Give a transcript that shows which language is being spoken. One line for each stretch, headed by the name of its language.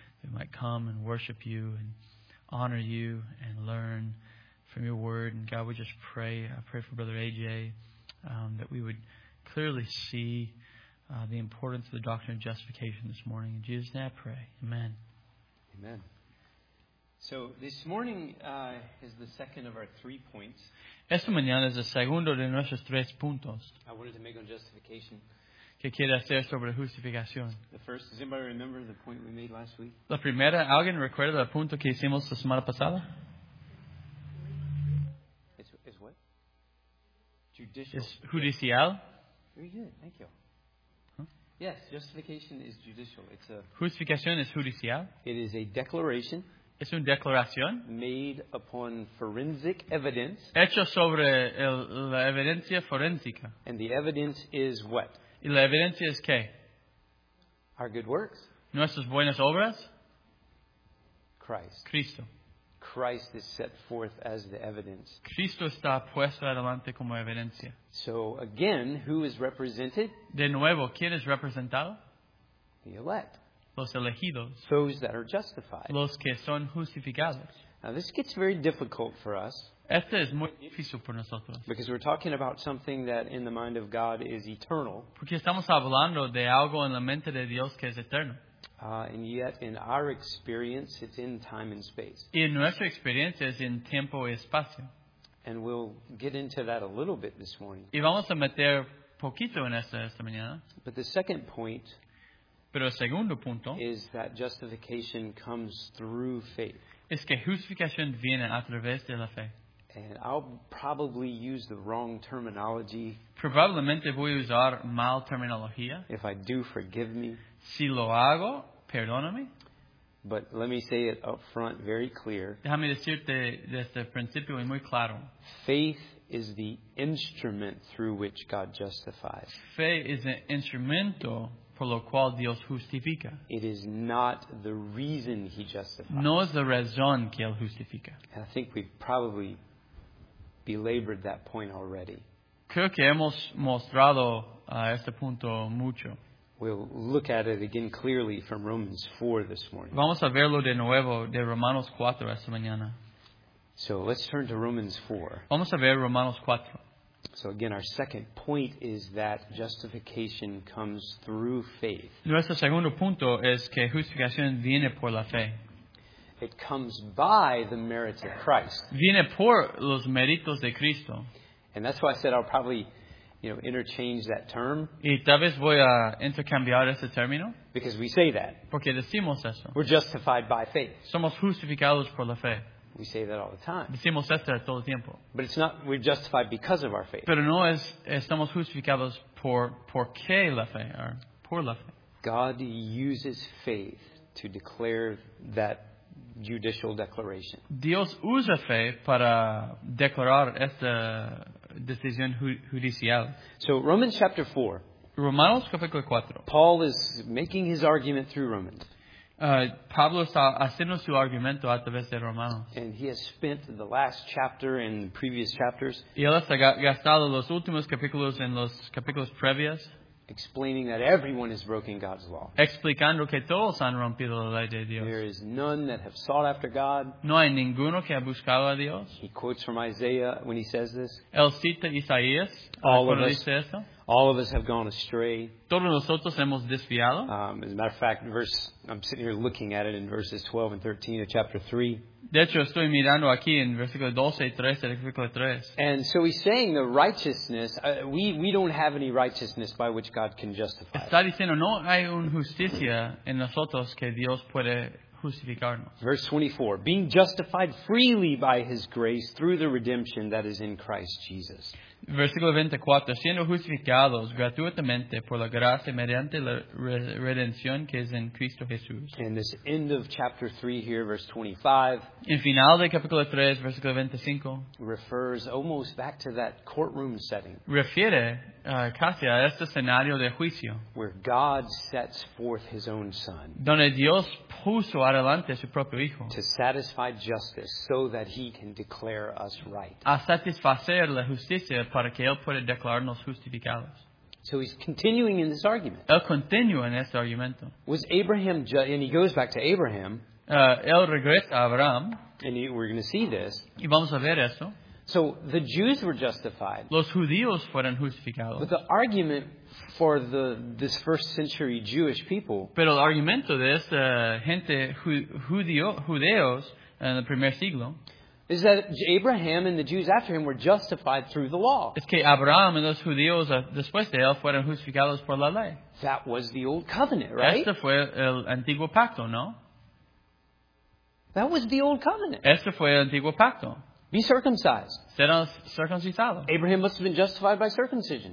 English: We might come and worship you and honor you and learn from your word. And God, we just pray. I pray for Brother AJ that we would clearly see the importance of the doctrine of justification this morning. In Jesus' name I pray. Amen. Amen. So this morning is the second of our 3 points.
Spanish: Esta mañana es el segundo de nuestros 3 puntos.
English: I wanted to make on justification.
Spanish: ¿Qué quiere hacer sobre justificación?
English: The first, does anybody remember the point we made last week?
Spanish: La primera, ¿alguien recuerda el punto que hicimos la semana pasada?
English: Is what? Judicial.
Spanish: Es judicial.
English: Very good, thank you. Huh? Yes, justification is judicial. It's a.
Spanish: Justificación es judicial.
English: It is a declaration.
Spanish: Es una declaración.
English: Made upon forensic evidence.
Spanish: Hecho sobre la evidencia forénsica.
English: And the evidence is what?
Spanish: ¿Y la evidencia es qué?
English: Our good works.
Spanish: ¿Nuestras buenas obras?
English: Christ.
Spanish: Cristo.
English: Christ is set forth as the evidence.
Spanish: Cristo está puesto adelante como evidencia.
English: So again, who is represented?
Spanish: De nuevo, ¿quién es representado?
English: The elect.
Spanish: Los elegidos.
English: Those that are justified.
Spanish: Los que son justificados.
English: Now this gets very difficult for us.
Spanish: Este es muy difícil por nosotros.
English: Because we're talking about something that in the mind of God is eternal.
Spanish: Porque estamos hablando de algo en la mente de Dios que es eterno.
English: And yet in our experience it's in time and space.
Spanish: Y en nuestra experiencia es en tiempo y espacio.
English: And we'll get into that a little bit this morning.
Spanish: Y vamos a meter poquito en esta mañana.
English: But the second point.
Spanish: Pero el segundo punto.
English: Is that justification comes through faith.
Spanish: Es que justificación viene a través de la fe.
English: And I'll probably use the wrong terminology.
Spanish: Probablemente voy a usar mal terminología.
English: If I do, forgive me.
Spanish: Si lo hago, perdóname.
English: But let me say it up front very clear.
Spanish: Déjame decirte desde el principio y muy claro.
English: Faith is the instrument through which God justifies.
Spanish: Fe es el instrumento por lo cual Dios justifica.
English: It is not the reason he justifies.
Spanish: No es la razón que él justifica.
English: And I think we've probably belabored that point already.
Spanish: Creo que hemos mostrado a este punto mucho.
English: We'll look at it again clearly from Romans 4 this morning.
Spanish: Vamos a verlo de nuevo de Romanos 4 esta mañana.
English: So let's turn to Romans 4.
Spanish: Vamos a ver Romanos 4.
English: So again, our second point is that justification comes through faith.
Spanish: Nuestro segundo punto es que justificación viene por la fe.
English: It comes by the merits of Christ.
Spanish: Viene por los méritos de Cristo.
English: And that's why I said I'll probably, you know, interchange that term.
Spanish: Y tal vez voy a intercambiar ese término.
English: Because we say that.
Spanish: Porque decimos eso.
English: We're justified by faith.
Spanish: Somos justificados por la fe.
English: We say that all the time.
Spanish: Decimos esto todo el tiempo.
English: But it's not, we're justified because of our faith.
Spanish: Pero no es, estamos justificados por qué la fe, or por la fe.
English: God uses faith to declare that judicial declaration.
Spanish: Dios usa fe para declarar esta decisión judicial.
English: So Romans chapter 4.
Spanish: Romanos capítulo 4.
English: Paul is making his argument through Romans.
Spanish: Pablo está haciendo su argumento a través de Romanos.
English: And he has spent the last chapter and the previous chapters.
Spanish: Y él ha gastado los últimos capítulos en los capítulos previos.
English: Explaining that everyone has broken God's law.
Spanish: Explicando que todos han rompido la ley de Dios.
English: There is none that have sought after God.
Spanish: No hay ninguno que ha buscado a Dios.
English: He quotes from Isaiah when he says this.
Spanish: Él cita Isaías cuando dice esto.
English: All of us have gone astray.
Spanish: Todos nosotros hemos desviado.
English: As a matter of fact, I'm sitting here looking at it in verses 12 and 13 of chapter 3.
Spanish: De hecho, estoy mirando aquí en versículo 12 y 13 del capítulo 3.
English: And so he's saying the righteousness, we don't have any righteousness by which God can justify.
Spanish: Está diciendo, no hay una justicia en nosotros que Dios puede justificarnos.
English: Verse 24, being justified freely by his grace through the redemption that is in Christ Jesus.
Spanish: Versículo 24, siendo justificados gratuitamente por la gracia mediante la redención que es en Cristo Jesús.
English: And this end of chapter 3 here, verse 25.
Spanish: El final del capítulo 3, versículo 25.
English: Refers almost back to that courtroom setting.
Spanish: Refiere casi a este escenario de juicio.
English: Where God sets forth his own son.
Spanish: Donde Dios puso adelante su propio hijo.
English: To satisfy justice so that he can declare us right.
Spanish: A satisfacer la justicia. Para que él pueda declararnos justificados.
English: So he's continuing in this argument.
Spanish: Él continúa en este argumento.
English: Was Abraham and he goes back to Abraham.
Spanish: Él regresa a Abraham.
English: And we're going to see this.
Spanish: Y vamos a ver eso.
English: So the Jews were justified.
Spanish: Los judíos fueron justificados.
English: But the argument for this first century Jewish people.
Spanish: Pero el argumento de esta gente judíos en el primer siglo.
English: Is that Abraham and the Jews after him were justified through the law.
Spanish: Es que Abraham y los judíos después de él fueron justificados por la ley.
English: That was the old covenant, right?
Spanish: Este fue el antiguo pacto, ¿no?
English: That was the old covenant.
Spanish: Este fue el antiguo pacto.
English: Be circumcised.
Spanish: Ser circuncidado.
English: Abraham must have been justified by circumcision.